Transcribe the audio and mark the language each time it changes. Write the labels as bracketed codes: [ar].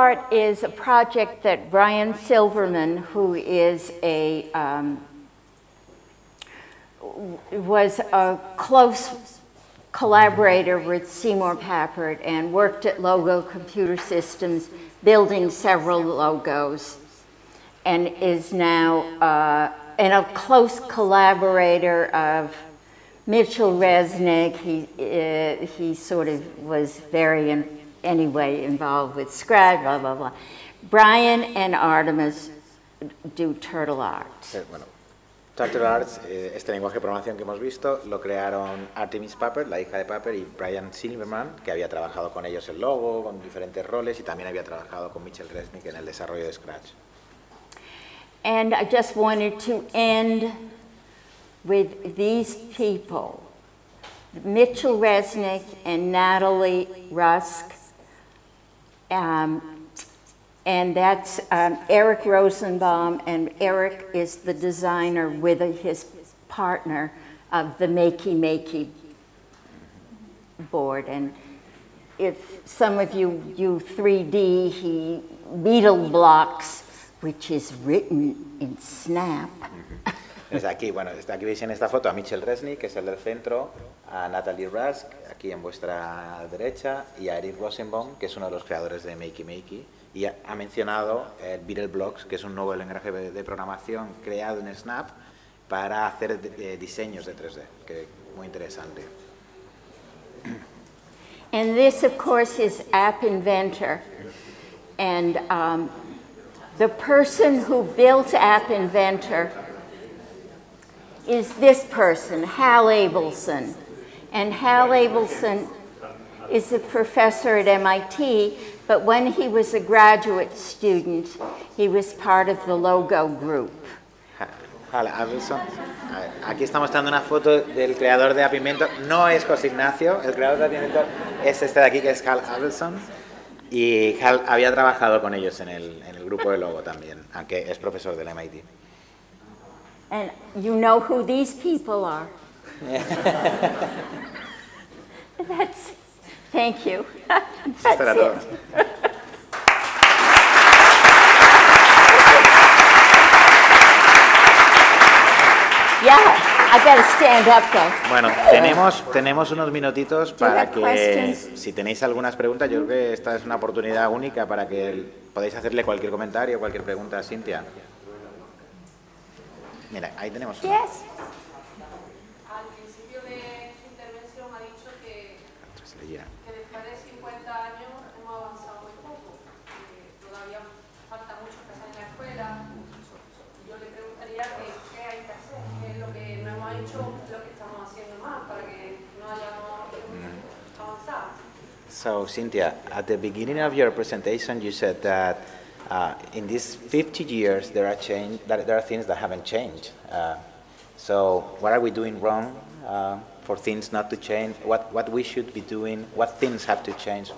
[en] Is a project that Brian Silverman, who is a was a close collaborator with Seymour Papert and worked at Logo Computer Systems, building several logos, and is now and a close collaborator of Mitchell Resnick. He sort of was very anyway involved with Scratch, blah, blah, blah. Brian and Artemis do turtle art. [es] Bueno, turtle art, este lenguaje de programación que hemos visto, lo crearon Artemis Papert, la hija de Papert, y Brian Silverman, que había trabajado con ellos en Logo, con diferentes roles, y también había trabajado con Mitchell Resnick en el desarrollo de Scratch. [en] And I just wanted to end with these people Mitchell Resnick and Natalie Rusk. And that's Eric Rosenbaum, and Eric is the designer with his partner of the Makey Makey board. And if some of you use 3D, he Beetle Blocks, which is written in Snap. [es] Desde aquí, bueno, desde aquí veis en esta foto a Mitchell Resnick, que es el del centro, a Natalie Rusk, aquí en vuestra derecha, y a Eric Rosenbaum, que es uno de los creadores de Makey Makey. Y ha mencionado Beetle Blocks, que es un nuevo lenguaje de programación creado en Snap para hacer diseños de 3D, que es muy interesante. [en] And this, of course, is App Inventor. And the person who built App Inventor is this person, Hal Abelson. And Hal Abelson is a professor at MIT, but when he was a graduate student, he was part of the Logo group. Hal Abelson. [es] Aquí estamos dando una foto del creador de App Inventor. No es José Ignacio, el creador de App Inventor es este de aquí, que es Hal Abelson. Y Hal había trabajado con ellos en el grupo de Logo también, aunque es profesor del MIT. [en] And you know who these people are. That's, thank you. That's it. Yeah, I gotta stand up though. [es] Bueno, tenemos unos minutitos para que, si tenéis algunas preguntas, yo creo que esta es una oportunidad única para que podáis hacerle cualquier comentario, cualquier pregunta a Cynthia. Mira, ahí tenemos. Una. [en] Yes. [es] Al principio de su intervención ha dicho que después de 50 años hemos avanzado muy poco, que todavía falta mucho que hacer en la escuela. Yo le preguntaría que, qué hay que hacer, qué es lo que no hemos hecho, lo que estamos haciendo mal para que no hayamos avanzado. [en] So, Cynthia, at the beginning of your presentation, you said that in these 50 years, there are change. There are things that haven't changed. So, what are we doing wrong for things not to change? What we should be doing? What things have to change?